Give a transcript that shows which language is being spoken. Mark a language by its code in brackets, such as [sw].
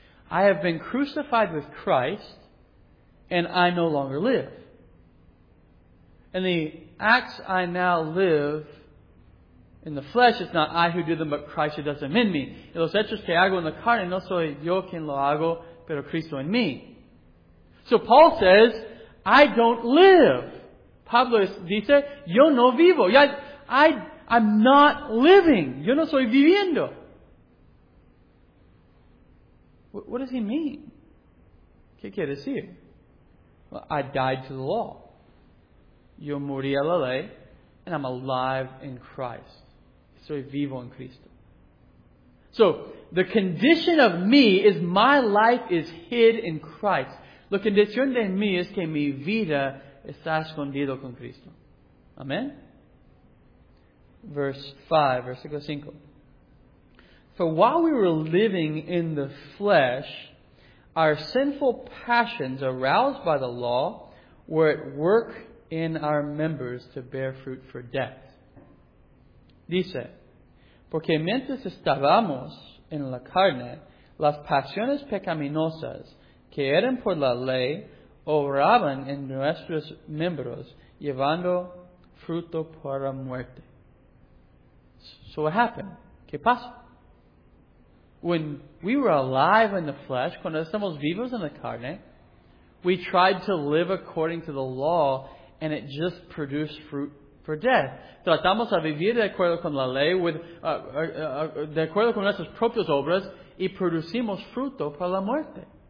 [en] I have been crucified with Christ, and I no longer live. And the acts I now live in the flesh, it's not I who do them, but Christ who does them in me. [es] Y los hechos que hago en la carne, no soy yo quien lo hago, pero Cristo en mí. [en] So Paul says, I don't live. [es] Pablo dice, yo no vivo. [en] I'm not living. [es] Yo no soy viviendo. [en] What does he mean? [es] ¿Qué quiere decir? [en] Well, I died to the law. [es] Yo morí a la ley. [en] And I'm alive in Christ. [es] Soy vivo en Cristo. [en] So, the condition of me is my life is hid in Christ. [es] La condición de mí es que mi vida está escondida con Cristo. Amén. Versículo 5. [en] For while we were living in the flesh, our sinful passions aroused by the law were at work in our members to bear fruit for death. [es] Dice, porque mientras estábamos en la carne, las pasiones pecaminosas que eran por la ley obraban en nuestros miembros llevando fruto para muerte. [en] So what happened? [es] ¿Qué pasó? [en] When we were alive in the flesh, [es] cuando estamos vivos en la carne, [en] we tried to live according to the law, and it just produced fruit for death. [es] Tratamos a vivir de acuerdo con la ley, de acuerdo con nuestras propias obras, y producimos fruto para la muerte.